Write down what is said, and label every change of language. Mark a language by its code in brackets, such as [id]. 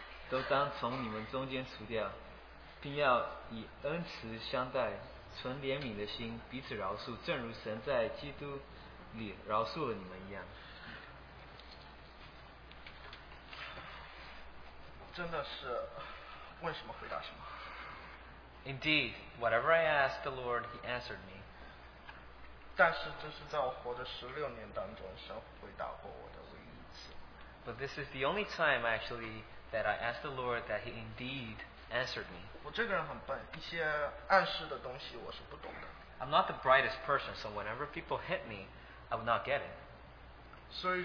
[zh] 都当从你们中间除掉，并要以恩慈相待，存怜悯的心，彼此饶恕，正如神在基督里饶恕了你们一样。真的是问什么回答什么。 [en] Indeed, whatever I asked the Lord, He answered me. [zh] 但是这是在我活的16年当中神回答过我的唯一一次。 [en] But this is the only time actually that I asked the Lord that He indeed answered me. I'm not the brightest person, so whenever people hit me, I would not get it.